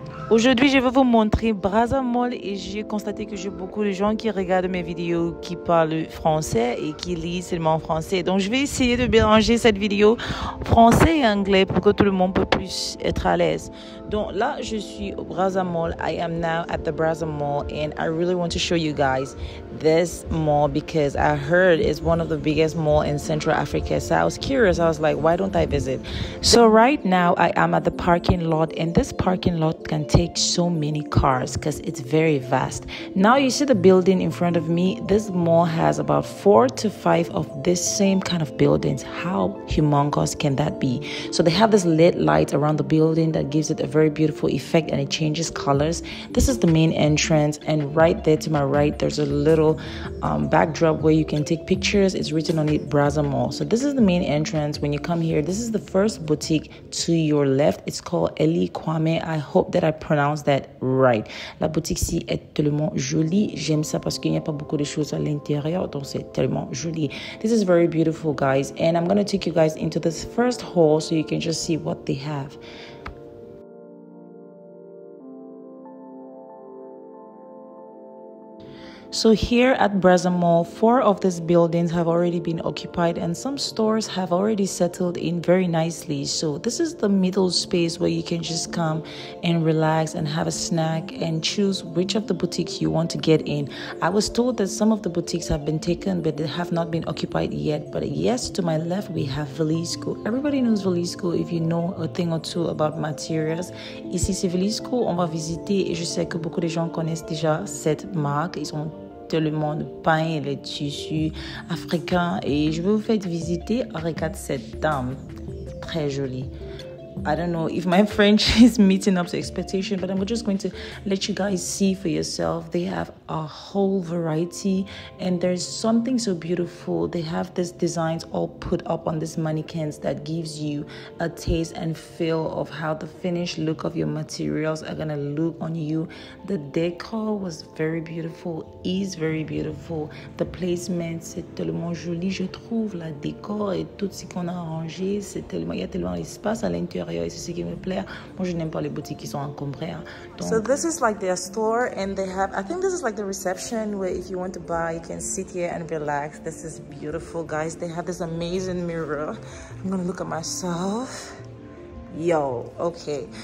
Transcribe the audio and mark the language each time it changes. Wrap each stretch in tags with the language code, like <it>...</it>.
<fr>Aujourd'hui, je vais vous montrer Brazzamole et j'ai constaté que j'ai beaucoup de gens qui regardent mes vidéos qui parlent français et qui lisent seulement en français. Donc, je vais essayer de mélanger cette vidéo français et anglais pour que tout le monde puisse plus être à l'aise. Donc là, je suis au Brazzamole.</fr> <en>I am now at the Brazzamole and I really want to show you guys this mall because I heard it's one of the biggest malls in Central Africa. So I was curious. I was like, why don't I visit? So right now, I am at the parking lot and this parking lot can take so many cars because it's very vast. Now you see the building in front of me. This mall has about 4 to 5 of this same kind of buildings. How humongous can that be? So they have this lit light around the building that gives it a very beautiful effect and it changes colors. This is the main entrance, and right there to my right there's a little backdrop where you can take pictures. It's written on it, Brazzamole. So this is the main entrance. When you come here, this is the first boutique to your left. It's called Eli Kwame. I hope that I pronounce that right.</en> <fr>La boutique ici est tellement jolie. J'aime ça parce qu'il n'y a pas beaucoup de choses à l'intérieur, donc c'est tellement joli.</fr> <en>This is very beautiful, guys, and I'm gonna take you guys into this first hall so you can just see what they have. So here at Brazzamole, 4 of these buildings have already been occupied and some stores have already settled in very nicely. So this is the middle space where you can just come and relax and have a snack and choose which of the boutiques you want to get in. I was told that some of the boutiques have been taken but they have not been occupied yet. But yes, to my left we have Velisco. Everybody knows Velisco if you know a thing or two about materials.</en> <fr>Ici c'est Velisco, on va visiter et je sais que beaucoup de gens connaissent déjà cette marque. Ils ont le monde peint et les tissus africains et je vais vous faire visiter. Regarde cette dame, très jolie.</fr> <en>I don't know if my French is meeting up to expectation, but I'm just going to let you guys see for yourself. They have a whole variety and there's something so beautiful. They have these designs all put up on these mannequins that gives you a taste and feel of how the finished look of your materials are gonna look on you. The decor was very beautiful, is very beautiful. The placement,</en> <fr>c'est tellement joli, je trouve. La décor et tout ce qu'on a arrangé, c'est tellement, il y a tellement d'espace à l'intérieur.</fr> <en>So this is like their store and they have, I think this is like the reception where if you want to buy you can sit here and relax. This is beautiful, guys. They have this amazing mirror. I'm gonna look at myself. Yo, okay.</en>